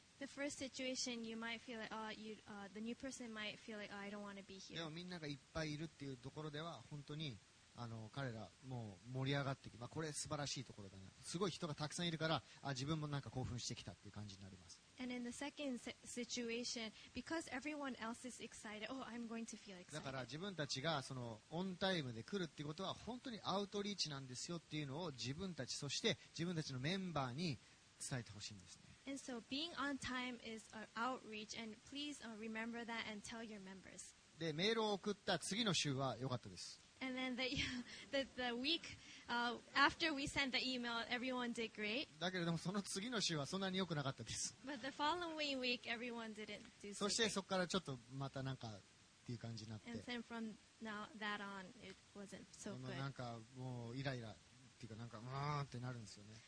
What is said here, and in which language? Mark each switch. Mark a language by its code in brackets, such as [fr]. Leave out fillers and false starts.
[en] The first situation, you might feel like, the new person might feel like, I don't want to be here. [ja] でもみんながいっぱいいるっていうところでは、本当に彼らもう盛り上がってきて、まあ、これ素晴らしいところだな。すごい人がたくさんいるから、あ、自分もなんか興奮してきたっていう感じになります。 [en] And in the second situation, because everyone else is excited, oh, I'm going to feel excited. [ja] だから自分たちがそのオンタイムで来るっていうことは、本当にアウトリーチなんですよっていうのを自分たち、そして自分たちのメンバーに伝えてほしいんですね。 [en] And so being on time is an outreach, and please remember that and tell your members. [ja] で、メールを送った次の週は良かったです。 [en] And then the week after we sent the email, everyone did great. [ja] だけれどもその次の週はそんなに良くなかったです。 [en] But the following week, everyone didn't do so. [ja] そしてそこからちょっとまたなんかっていう感じになって。 [en] And then from now that on, it wasn't so good. [ja] なんかもうイライラっていうか、なんかうーんってなるんですよね。